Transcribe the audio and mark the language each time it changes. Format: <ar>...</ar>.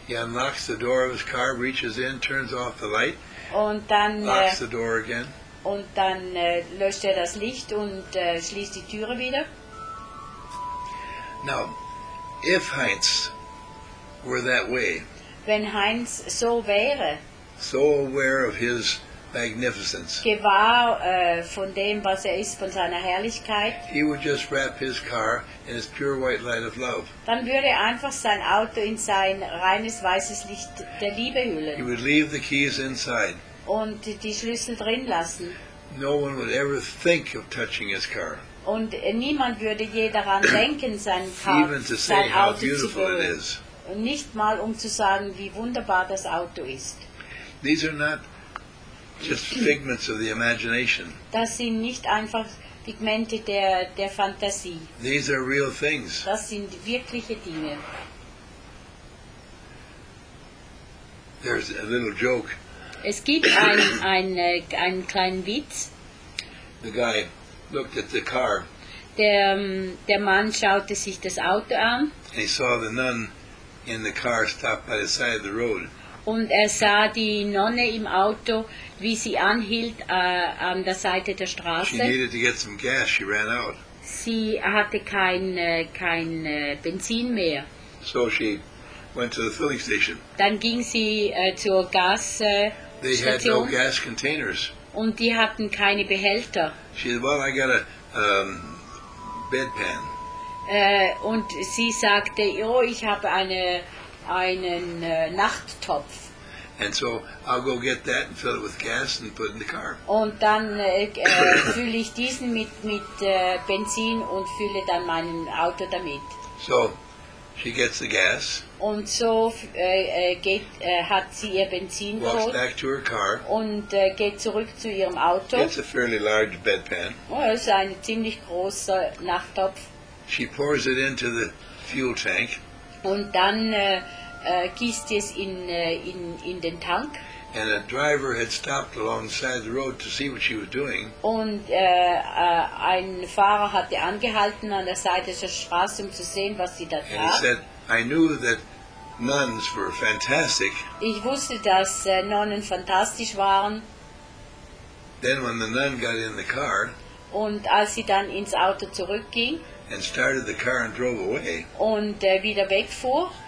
<en>He unlocks the door of his car, reaches in, turns off the light,</en> <de>und dann,</de> <en>locks the door again.</en> <de>Und dann löscht er das Licht und schließt die Türe wieder.</de> <en>Now, if Heinz were that way,</en> <de>wenn Heinz so wäre,</de> <en>so aware of his magnificence,</en> <de>gewahr von dem, was er ist, von seiner Herrlichkeit,</de> <en>he would just wrap his car in his pure white light of love.</en> <de>Dann würde er einfach sein Auto in sein reines weißes Licht der Liebe hüllen.</de> <en>He would leave the keys inside.</en> <de>Und die Schlüssel drin lassen.</de> <en>No one would ever think of touching his car.</en> <de>Und niemand würde je daran denken, sein Car,</de> <en>even to say</en> <de>sein Auto</de> <en>how beautiful it is.</en> <de>Und nicht mal um zu sagen, wie wunderbar das Auto ist.</de> <en>These are not just figments of the imagination.</en> <de>Das sind nicht einfach Pigmente der Fantasie.</de> <en>These are real things.</en> <de>Das sind wirkliche Dinge.</de> <en>There's a little joke.</en> <de>Es gibt einen kleinen Witz.</de> <en>The guy looked at the car.</en> <de>Der Mann schaute sich das Auto an.</de> <en>And he saw the nun in the car stop by the side of the road.</en> <de>Und er sah die Nonne im Auto, wie sie anhielt an der Seite der Straße.</de> <en>She needed to get some gas. She ran out.</en> <de>Sie hatte kein Benzin mehr.</de> <en>So she went to the filling station.</en> <de>Dann ging sie zur Gas</de> <en>They had no gas containers.</en> <de>Und die hatten keine Behälter.</de> <en>She said, well, I got a bedpan.</en> <de>Und sie sagte, oh, ich habe einen Nachttopf.</de> <en>And so I'll go get that and fill it with gas and put it in the car.</en> <de>Und dann fülle ich diesen mit Benzin und fülle dann mein Auto damit.</de> <en>So she gets the gas.</en> <de>Und so hat sie ihr Benzin geholt.</de> <en>Walks back to her car.</en> <de>Und geht zurück zu ihrem Auto.</de> <en>It's a fairly large bedpan.</en> <de>Oh, es ist ein ziemlich großer Nachttopf.</de> <en>She pours it into the fuel tank.</en> <de>Und dann gießt es in den Tank.</de> <en>And a driver had stopped alongside the road to see what she was doing.</en> <de>Und ein Fahrer hatte angehalten an der Seite der Straße, um zu sehen, was sie da tat.</de> <en>And he said, I knew that nuns were fantastic.</en> <de>Ich wusste, dass Nonnen fantastisch waren.</de> <en>Then when the nun got in the car.</en> <de>Und als sie dann ins Auto zurückging.</de> <en>And started the car and drove away.</en> <de>Und wieder wegfuhr.</de>